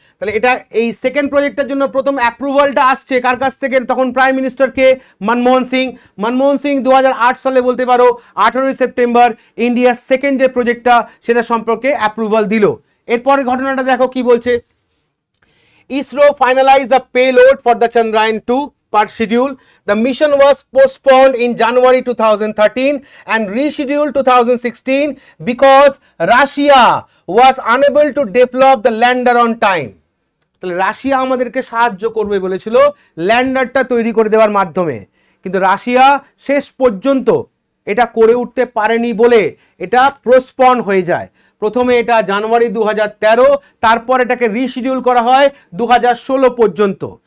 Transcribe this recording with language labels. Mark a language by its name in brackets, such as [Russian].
[Bangla] তাহলে এটা এই সেকেন্ড প্রজেক্টের জন্য প্রথম অ্যাপ্রুভালটা আসছে কার কাছ থেকে, তখন প্রাইম মিনিস্টারকে, মনমোহন সিং। মনমোহন সিং 2008 সালে বলতে পারো 18 সেপ্টেম্বর ইন্ডিয়ার সেকেন্ড যে প্রজেক্টটা সেটা সম্পর্কে অ্যাপ্রুভাল দিল। এরপরে ঘটনাটা দেখো কি বলছে, [English] ISRO finalise the payload for the Chandrayaan 2, per schedule. The mission was postponed in January 2013 and rescheduled 2016 because Russia was unable to develop the lander on time. [Bangla] তাহলে রাশিয়া আমাদেরকে সাহায্য করবে বলেছিল ল্যান্ডারটা তৈরি করে দেওয়ার মাধ্যমে, কিন্তু রাশিয়া শেষ পর্যন্ত এটা করে উঠতে পারেনি বলে এটা প্রোস্পন হয়ে যায়। প্রথমে এটা জানুয়ারি 2013, তারপর এটাকে রিশিডিউল করা হয় 2016 পর্যন্ত।